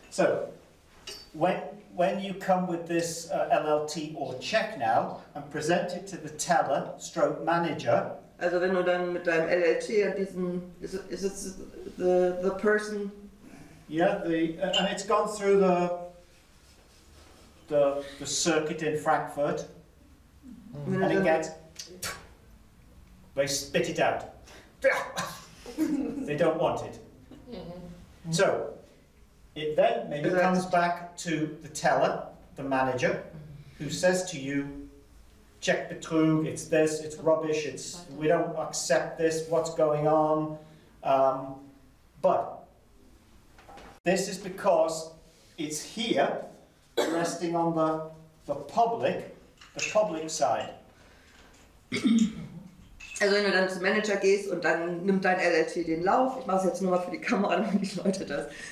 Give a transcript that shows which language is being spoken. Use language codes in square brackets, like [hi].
[en] So, when you come with this LLT or check now and present it to the teller stroke manager... [de] Also wenn du dann mit deinem LLT an diesen... [en] Is it the person... Yeah, and it's gone through the circuit in Frankfurt, mm-hmm. And it gets, they spit it out. They don't want it. Mm-hmm. So, it then maybe comes back to the teller, the manager, who says to you, check Betrug, it's this, it's rubbish, it's we don't accept this, what's going on? But this is because it's here, resting on the public side. [de] Also wenn du dann zum Manager gehst und dann nimmt dein LLT den Lauf, ich mache es jetzt nur mal für die Kamera, damit die Leute das...